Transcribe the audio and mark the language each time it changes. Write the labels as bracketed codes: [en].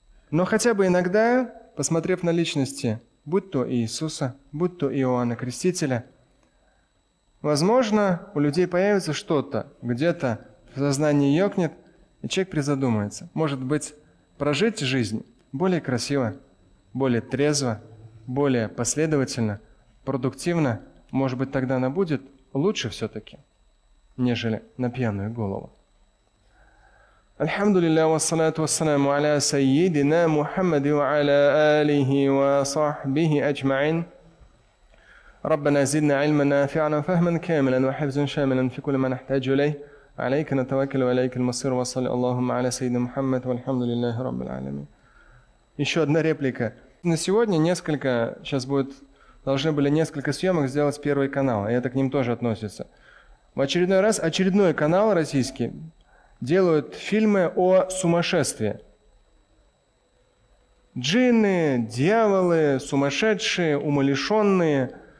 [ru] Но хотя бы иногда, посмотрев на личности, будь то Иисуса, будь то Иоанна Крестителя, возможно, у людей появится что-то, где-то в сознании ёкнет, и человек призадумается. Может быть, прожить жизнь более красиво, более трезво, более последовательно, продуктивно, может быть, тогда она будет лучше все-таки, нежели на пьяную голову. [ar] الحمد لله والصلاة والسلام على سيدنا محمد وعلى آله وصحبه أجمعين ربنا زدنا علما نافعا فهما كاملا وحفظا شاملا في كل ما نحتاج إليه عليك نتوكل وعليك المصير وصلى اللهم على سيدنا محمد والحمد لله رب العالمين. [ru] Еще одна реплика. На сегодня несколько, сейчас будет, должны были несколько съемок сделать Первый канал, и это к ним тоже относится. В очередной раз очередной канал российский делают фильмы о сумасшествии. Джинны, дьяволы, сумасшедшие, умалишенные.